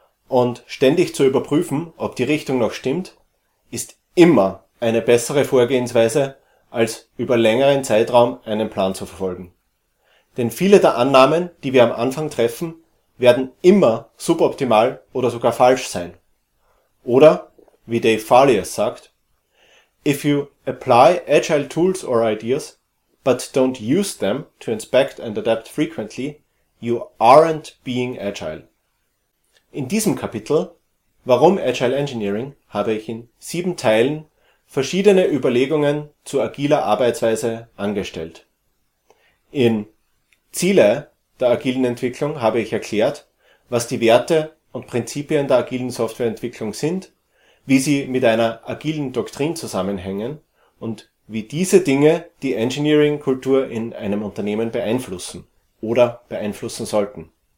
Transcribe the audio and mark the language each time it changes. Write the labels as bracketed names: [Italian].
[German] Und ständig zu überprüfen, ob die Richtung noch stimmt, ist immer eine bessere Vorgehensweise, als über längeren Zeitraum einen Plan zu verfolgen. Denn viele der Annahmen, die wir am Anfang treffen, werden immer suboptimal oder sogar falsch sein. Oder, wie Dave Farley es sagt, [English] if you apply agile tools or ideas, but don't use them to inspect and adapt frequently, you aren't being agile. [German] In diesem Kapitel, Warum Agile Engineering, habe ich in 7 Teilen verschiedene Überlegungen zu agiler Arbeitsweise angestellt. In Ziele der agilen Entwicklung habe ich erklärt, was die Werte und Prinzipien der agilen Softwareentwicklung sind, wie sie mit einer agilen Doktrin zusammenhängen und wie diese Dinge die Engineering-Kultur in einem Unternehmen beeinflussen oder beeinflussen sollten.